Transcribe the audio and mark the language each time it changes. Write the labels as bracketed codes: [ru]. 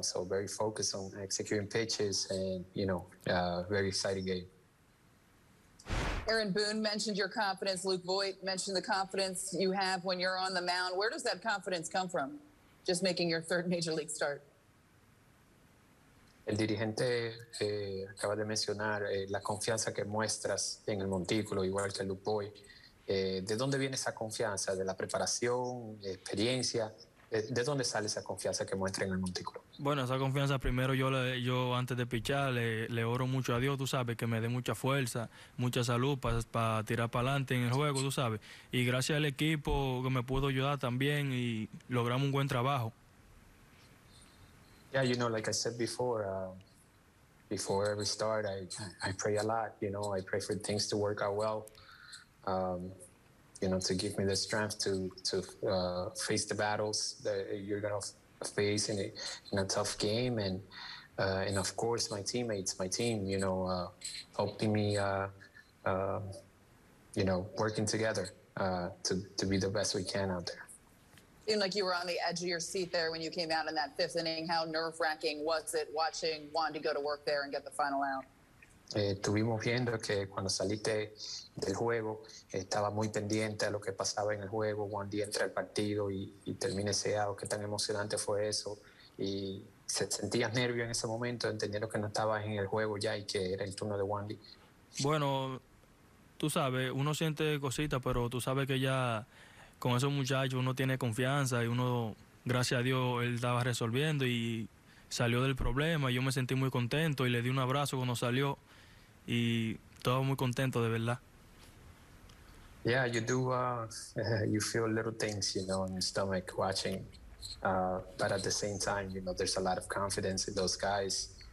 [en] So very focused on executing pitches and, you know, very exciting game. Aaron Boone mentioned your confidence. Luke Voit mentioned the confidence you have when you're on the mound. Where does that confidence come from, just making your third major league start? [es] El dirigente acaba de mencionar la confianza que muestras en el montículo, igual que Luke Voit. ¿De dónde viene esa confianza? ¿De la preparación, experiencia? ¿De dónde sale esa confianza que muestra en el montículo? Bueno, esa confianza primero yo antes de pichar le oro mucho a Dios, tú sabes, que me dé mucha fuerza, mucha salud para tirar para adelante en el juego, tú sabes. Y gracias al equipo que me pudo ayudar también y logramos un buen trabajo. [en] Yeah, you know, like I said before, before every start, I pray a lot, you know. I pray for things to work out well, you know, to give me the strength to face the battles that you're going to face in a tough game. And of course, my teammates, my team, you know, helping me, you know, working together to be the best we can out there. Seemed like you were on the edge of your seat there when you came out in that fifth inning. How nerve-wracking was it watching Wandy go to work there and get the final out? [es] Estuvimos viendo que cuando saliste del juego estaba muy pendiente a lo que pasaba en el juego. Wandy entra al partido y termina ese out. Qué tan emocionante fue eso. Y sentías nervio en ese momento, entendiendo que no estabas en el juego ya y que era el turno de Wandy. Bueno, tú sabes, uno siente cositas, pero tú sabes que ya con esos muchachos uno tiene confianza y uno, gracias a Dios, él estaba resolviendo y salió del problema. Yo me sentí muy contento y le di un abrazo cuando salió y todo muy contento, de verdad. [en] Yeah, you do, you feel little things, you know, in your stomach watching, but at the same time, you know, there's a lot of confidence in those guys.